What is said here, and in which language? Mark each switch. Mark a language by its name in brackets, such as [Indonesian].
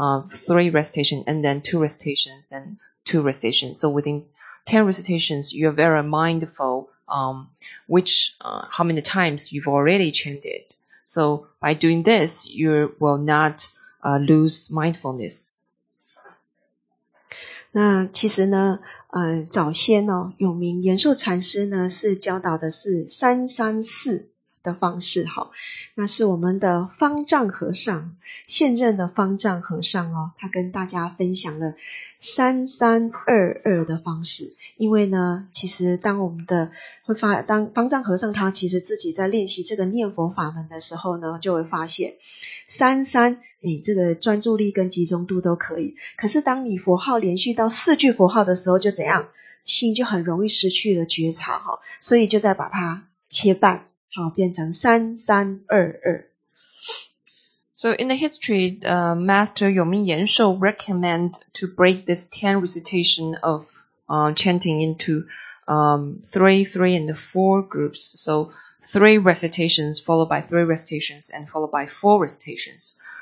[English] Three recitation and then two recitations, then two recitations. So within 10 recitations, you're very mindful, how many times you've already chanted. So by doing this, you will not, lose mindfulness. [Chinese] 那其实呢，早先哦，有名延寿禅师呢是教导的是334的方式，好，那是我们的方丈和尚，现任的方丈和尚哦，他跟大家分享了3322的方式。因为呢，其实当我们的会发，当方丈和尚他其实自己在练习这个念佛法门的时候呢，就会发现33，你这个专注力跟集中度都可以，可是当你佛号连续到四句佛号的时候，就怎样，心就很容易失去了觉察哦，所以就再把它切半。好，变成3322。 [English] So in the history, Master Yongming Yanshou recommend to break this 10 recitation of chanting into 3-3 and 4 groups. So 3 recitations followed by 3 recitations and followed by 4 recitations.